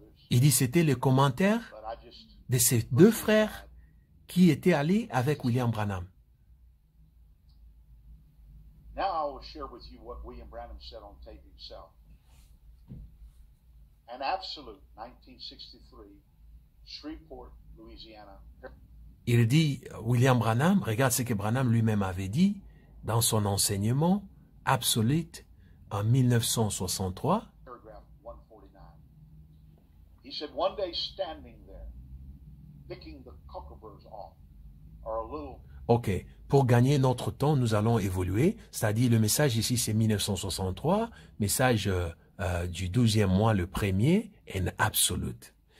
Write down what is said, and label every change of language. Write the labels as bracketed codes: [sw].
[fr] Il dit, c'était le commentaire de ces deux frères qui était allé avec William Branham. [en] Now I will share with you what William Branham said on tape himself. An absolute 1963, Shreveport, Louisiana. [fr] Il dit, William Branham, regarde ce que Branham lui-même avait dit dans son enseignement, absolute, en 1963. [en] Paragraph 149. He said, one day standing there, picking the cockleburrs off. [fr] Ok, pour gagner notre temps, nous allons évoluer. C'est-à-dire, le message ici, c'est 1963, message du 12e mois, le premier, an absolute.